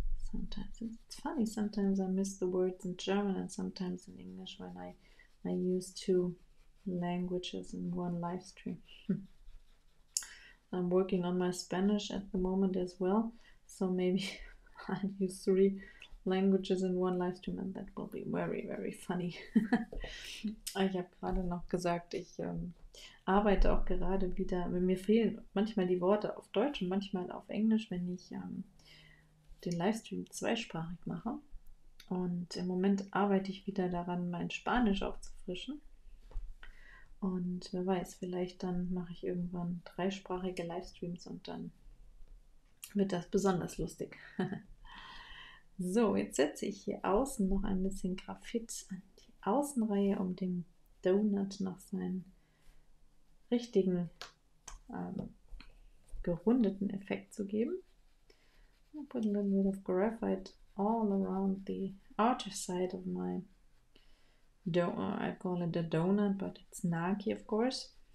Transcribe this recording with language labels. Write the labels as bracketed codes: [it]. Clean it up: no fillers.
[en] Sometimes it's funny, sometimes I miss the words in German and sometimes in English when I use two languages in one live stream. I'm working on my Spanish at the moment as well, so maybe I'll use three languages in one live stream and that will be very, very funny. [de] Ich habe gerade noch gesagt, ich arbeite auch gerade wieder, mir fehlen manchmal die Worte auf Deutsch und manchmal auf Englisch, wenn ich den Livestream zweisprachig mache. Und im Moment arbeite ich wieder daran, mein Spanisch aufzufrischen. Und wer weiß, vielleicht dann mache ich irgendwann dreisprachige Livestreams und dann wird das besonders lustig. So, jetzt setze ich hier außen noch ein bisschen Graphit an die Außenreihe, um dem Donut noch seinen richtigen gerundeten Effekt zu geben. [en] I put a little bit of graphite all around the outer side of my I call it a donut, but it's Naki, of course.